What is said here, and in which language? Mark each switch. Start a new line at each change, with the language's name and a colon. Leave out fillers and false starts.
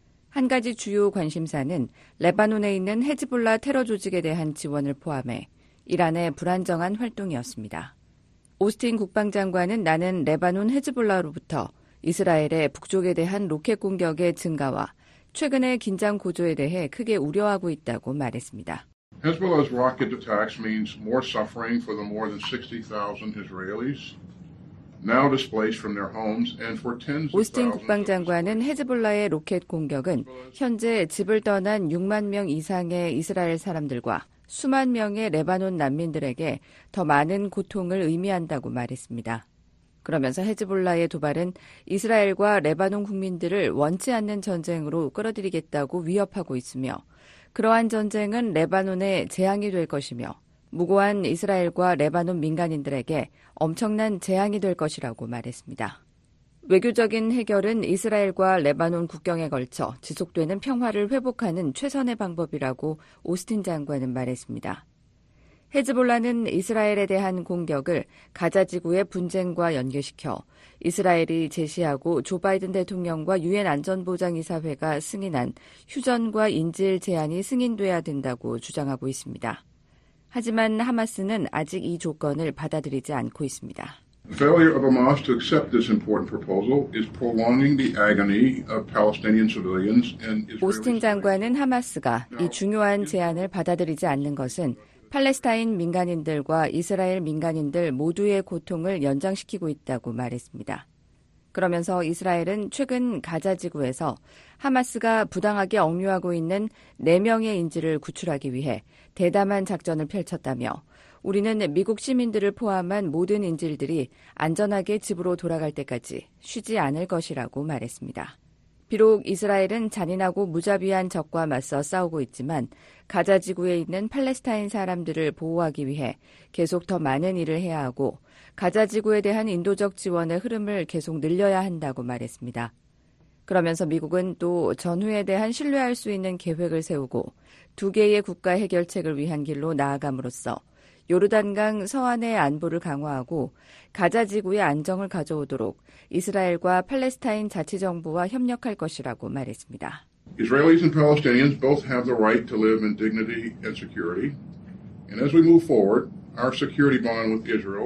Korean: 한 가지 주요 관심사는 레바논에 있는 헤즈볼라 테러 조직에 대한 지원을 포함해 이란의 불안정한 활동이었습니다. 오스틴 국방장관은 나는 레바논 헤즈볼라로부터 이스라엘의 북쪽에 대한 로켓 공격의 증가와 최근의 긴장 고조에 대해 크게 우려하고 있다고 말했습니다.
English: Hezbollah's rocket attacks means more suffering for the more than 60,000 Israelis now displaced from their homes and for tens of thousands.
Korean: 오스틴 국방장관은 헤즈볼라의 로켓 공격은 현재 집을 떠난 6만 명 이상의 이스라엘 사람들과 수만 명의 레바논 난민들에게 더 많은 고통을 의미한다고 말했습니다. 그러면서 헤즈볼라의 도발은 이스라엘과 레바논 국민들을 원치 않는 전쟁으로 끌어들이겠다고 위협하고 있으며 그러한 전쟁은 레바논에 재앙이 될 것이며 무고한 이스라엘과 레바논 민간인들에게 엄청난 재앙이 될 것이라고 말했습니다. 외교적인 해결은 이스라엘과 레바논 국경에 걸쳐 지속되는 평화를 회복하는 최선의 방법이라고 오스틴 장관은 말했습니다. 헤즈볼라는 이스라엘에 대한 공격을 가자지구의 분쟁과 연계시켜 이스라엘이 제시하고 조 바이든 대통령과 유엔 안전보장이사회가 승인한 휴전과 인질 제한이 승인돼야 된다고 주장하고 있습니다. 하지만 하마스는 아직 이 조건을 받아들이지 않고 있습니다.
English: Failure of Hamas to accept this important proposal is prolonging the agony of Palestinian civilians and Israeli.
Korean: 오스틴 장관은 하마스가 이 중요한 제안을 받아들이지 않는 것은 팔레스타인 민간인들과 이스라엘 민간인들 모두의 고통을 연장시키고 있다고 말했습니다. 그러면서 이스라엘은 최근 가자지구에서 하마스가 부당하게 억류하고 있는 4명의 인질을 구출하기 위해 대담한 작전을 펼쳤다며 우리는 미국 시민들을 포함한 모든 인질들이 안전하게 집으로 돌아갈 때까지 쉬지 않을 것이라고 말했습니다. 비록 이스라엘은 잔인하고 무자비한 적과 맞서 싸우고 있지만 가자지구에 있는 팔레스타인 사람들을 보호하기 위해 계속 더 많은 일을 해야 하고 가자지구에 대한 인도적 지원의 흐름을 계속 늘려야 한다고 말했습니다. 그러면서 미국은 또 전후에 대한 신뢰할 수 있는 계획을 세우고 두 개의 국가 해결책을 위한 길로 나아감으로써 요르단강 서안의 안보를 강화하고 가자지구의 안정을 가져오도록 이스라엘과 팔레스타인 자치정부와 협력할 것이라고 말했습니다.
English: Israelis and Palestinians both have the right to live in dignity and security. And as we move forward, our security bond with Israel.